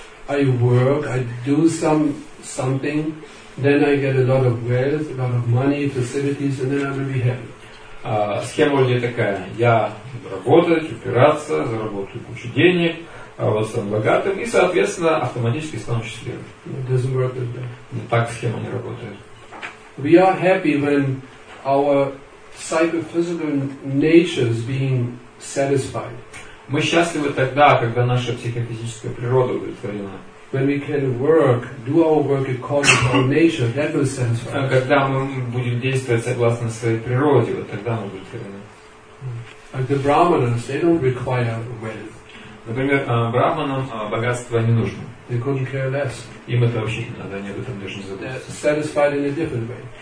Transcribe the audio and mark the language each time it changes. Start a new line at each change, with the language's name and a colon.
English: I work, I do something, then I get a lot of wealth, a lot of money, facilities, and then I will be happy.
Russian: схема вроде такая. Я работать, упираться, заработаю кучу денег, вот стану богатым и, соответственно, автоматически стану счастливым.
English: It doesn't work like that.
Russian: Но так схема не работает.
English: We are happy when our psychophysical nature is being satisfied.
Russian: Мы счастливы тогда, когда наша психофизическая природа удовлетворена.
English: When we can work, do our work according to our nature, that will satisfy.
Russian: Когда мы будем действовать согласно своей природе, вот тогда мы удовлетворены.
English: Like the brahmanas, they don't require wealth.
Russian: Например, брахманам богатство не нужно.
English: They couldn't care less.
Russian: Им это вообще не надо, они об этом даже не задумываются.
English: They're satisfied in a different way.